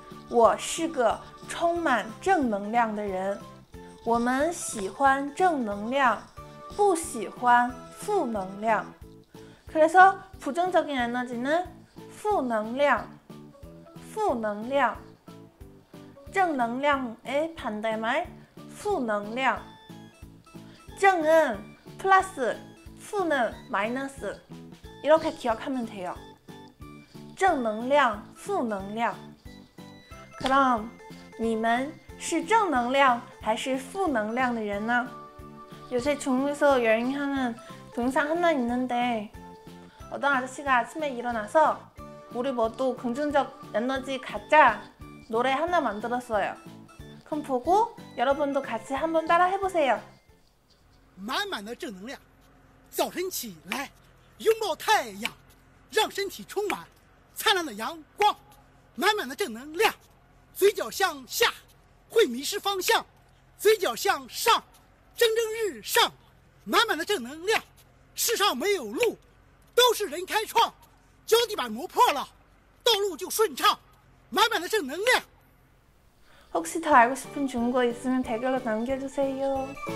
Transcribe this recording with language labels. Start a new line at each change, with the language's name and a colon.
Chinese: 我是个充满正能量的人我们喜欢正能量不喜欢负能量
Korean: 그래서 부정적인 에너지는 负能量 负能量 正能量의 반대말 负能量 正은 플러스 负는 마이너스 이렇게 기억하면 돼요.
Chinese: 正能量 负能量 그럼 你们是正能量还是负能量的人呢?
Korean: 요새 중국에서 여행하는 동상 하나 있는데 어떤 아저씨가 아침에 일어나서 우리 모두 긍정적 에너지 갖자 노래 하나 만들었어요. 그럼 보고 여러분도 같이 한번 따라 해보세요.
Chinese: 만만의 정능량 早晨起来，拥抱太阳，让身体充满灿烂的阳光，满满的正能量。嘴角向下会迷失方向，嘴角向上蒸蒸日上，满满的正能量。世上没有路都是人开创，脚底板磨破了道路就顺畅，满满的正能量。
Korean: 혹시더알고싶은중국어있으면댓글로남겨주세요.